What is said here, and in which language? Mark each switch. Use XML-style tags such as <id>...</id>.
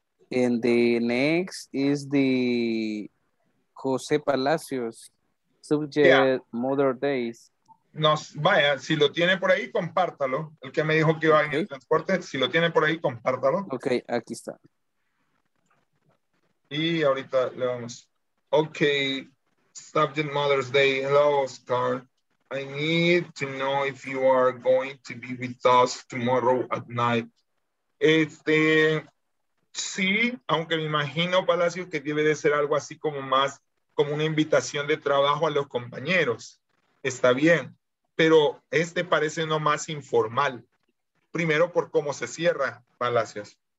<en>And the next is the Jose Palacios subject, yeah. Modern Days.</en> <es>No, vaya, si lo tiene por ahí, compártalo. El que me dijo que iba okay. En el transporte, si lo tiene por ahí, compártalo. Ok, aquí está. Y ahorita le vamos.</es> <en>Ok, subject Mother's Day. Hello, Oscar. I need to know if you are going to be with us tomorrow at night.</en> <es>Este, sí, aunque me imagino, Palacio, que debe de ser algo así como más, como una invitación de trabajo a los compañeros. Está bien. Pero este parece no más informal. Primero por cómo se cierra, Palacios.</es>